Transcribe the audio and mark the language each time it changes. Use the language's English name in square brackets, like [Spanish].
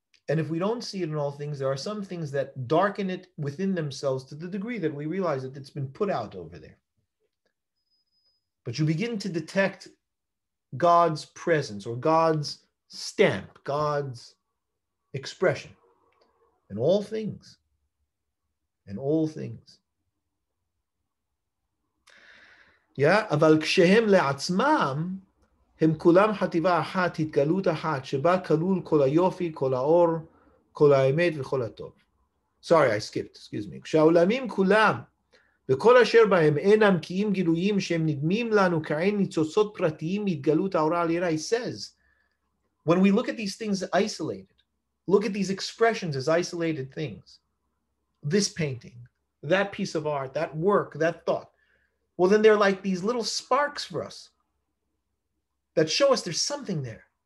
[English] And if we don't see it in all things, there are some things that darken it within themselves to the degree that we realize that it's been put out over there. But you begin to detect God's presence or God's stamp, God's expression in all things. In all things. [Hebrew] Yeah, אבל כשהם לעצמם, הם כולם חטיבה אחת, התגלות אחת, שבה כלול כל היופי, כל האור, כל האמת וכל הטוב. [English] Sorry, I skipped, excuse me. [Hebrew] כשהעולמים כולם, וכל אשר בהם אינם קיים גילויים שהם נדמים לנו כעין ניצוצות פרטיים מתגלות האורה על ירה, [English] he says, when we look at these things isolated, look at these expressions as isolated things, this painting, that piece of art, that work, that thought, well, then they're like these little sparks for us that show us there's something there.